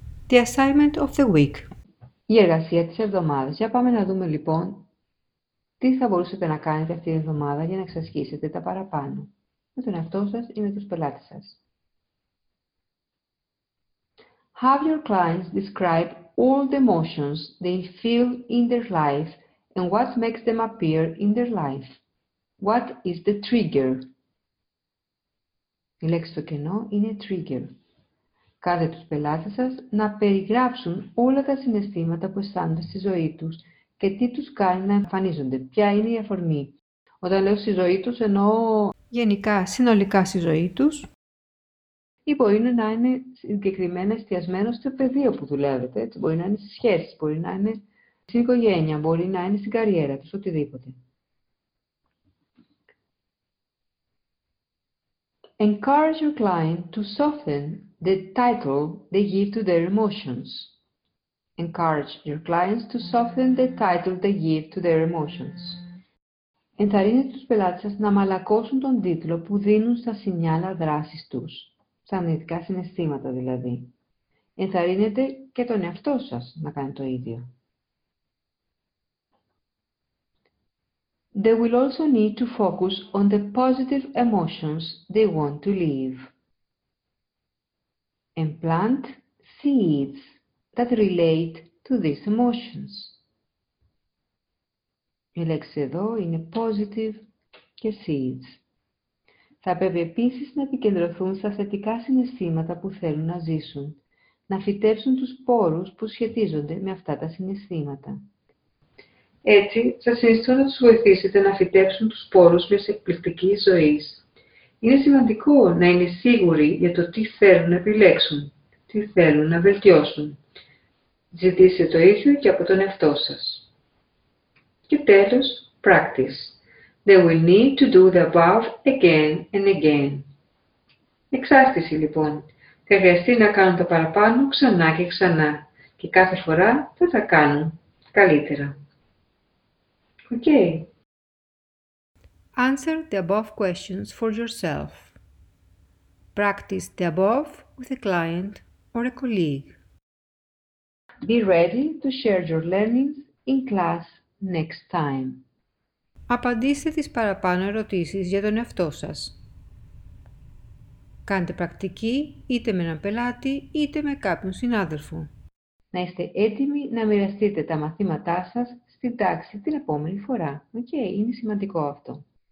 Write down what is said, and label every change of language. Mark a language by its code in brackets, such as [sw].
[en] The assignment of the week. [el] Η εργασία της εβδομάδας. Για πάμε να δούμε λοιπόν τι θα μπορούσατε να κάνετε αυτή την εβδομάδα για να εξασκήσετε τα παραπάνω με τον εαυτό σας ή με τους πελάτες σας. [en] Have your clients describe all the emotions they feel in their life and what makes them appear in their life. What is the trigger? [el] Η λέξη στο κενό είναι trigger. Κάντε τους πελάτες σας να περιγράψουν όλα τα συναισθήματα που αισθάνονται στη ζωή τους και τι τους κάνει να εμφανίζονται. Ποια είναι η αφορμή. Όταν λέω στη ζωή τους εννοώ... Γενικά, συνολικά στη ζωή τους. Ή μπορεί να είναι συγκεκριμένα εστιασμένο στο πεδίο που δουλεύετε. Έτσι. Μπορεί να είναι στις σχέσεις, μπορεί να είναι στην οικογένεια, μπορεί να είναι στην καριέρα τους, οτιδήποτε. [en] Encourage your client to soften the title they give to their emotions. Encourage your clients to soften the title they give to their emotions. [el] Ενθαρρύνετε τους πελάτες σας να μαλακώσουν τον τίτλο που δίνουν στα σινιάλα δράσης τους, στα αρνητικά συναισθήματα δηλαδή. Ενθαρρύνετε και τον εαυτό σας να κάνει το ίδιο. [en] They will also need to focus on the positive emotions they want to live. And plant seeds that relate to these emotions. [el] Η λέξη εδώ είναι positive και seeds. Θα πρέπει επίσης να επικεντρωθούν στα θετικά συναισθήματα που θέλουν να ζήσουν, να φυτέψουν τους πόρους που σχετίζονται με αυτά τα συναισθήματα. Έτσι, σας συνιστώ να τους βοηθήσετε να φυτέψουν τους πόρους μιας εκπληκτικής ζωής. Είναι σημαντικό να είναι σίγουροι για το τι θέλουν να επιλέξουν, τι θέλουν να βελτιώσουν. Ζητήστε το ίδιο και από τον εαυτό σας. Και τέλος, practice. [en] They will need to do the above again and again. [el] Εξάσκηση λοιπόν. Θα χρειαστεί να κάνουν τα παραπάνω ξανά και ξανά. Και κάθε φορά θα τα κάνουν καλύτερα. Okay. [en] Answer the above questions for yourself. Practice the above with a client or a colleague. Be ready to share your learnings in class next time. [el] Απαντήστε τις παραπάνω ερωτήσεις για τον εαυτό σας. Κάντε πρακτική είτε με έναν πελάτη είτε με κάποιον συνάδελφο. Να είστε έτοιμοι να μοιραστείτε τα μαθήματά σας στην τάξη την επόμενη φορά. Okay, είναι σημαντικό αυτό.